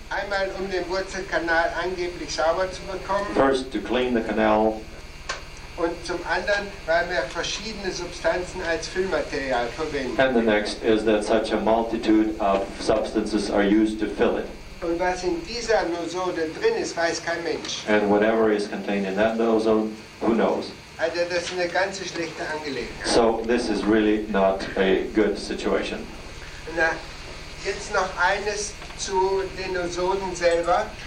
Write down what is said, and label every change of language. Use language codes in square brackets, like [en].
[de] Einmal um den Wurzelkanal angeblich sauber zu bekommen. [en] First, to clean the canal. [de] Und zum anderen, weil wir verschiedene Substanzen als Füllmaterial verwenden. [en] And the next is that such a multitude of substances are used to fill it. [de] Und was in dieser Nosode drin ist, weiß kein Mensch. [en] And whatever is contained in that nosode, who knows? [de] Also das ist eine ganz schlechte Angelegenheit. [en] So this is really not a good situation. [de] Na, jetzt noch eines zu den Nosoden selber.